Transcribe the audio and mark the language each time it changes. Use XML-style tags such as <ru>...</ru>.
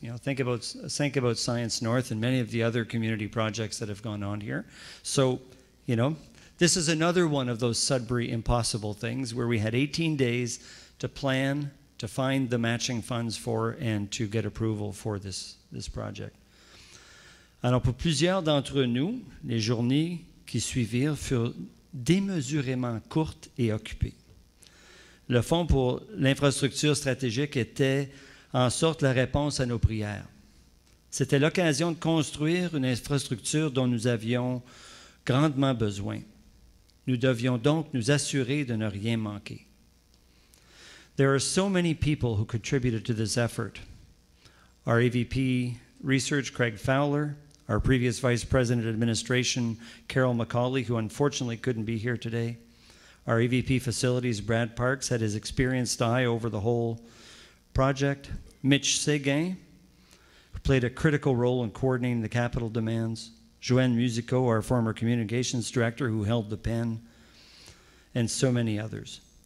<en>You know, think about Science North and many of the other community projects that have gone on here. So, you know, this is another one of those Sudbury impossible things where we had 18 days to plan, to find the matching funds for, and to get approval for this project.</en> <fr>Alors, pour plusieurs d'entre nous, les journées qui suivirent furent démesurément courtes et occupées. Le fonds pour l'infrastructure stratégique était en sorte la réponse à nos prières. C'était l'occasion de construire une infrastructure dont nous avions grandement besoin. Nous devions donc nous assurer de ne rien manquer.</fr> <en>There are so many people who contributed to this effort. Our EVP Research, Craig Fowler, our previous Vice President of Administration, Carol McCauley, who unfortunately couldn't be here today, our EVP Facilities, Brad Parks, had his experienced eye over the whole project, Mitch Seguin, who played a critical role in coordinating the capital demands, Joanne Musico, our former communications director, who held the pen, and so many others.</en>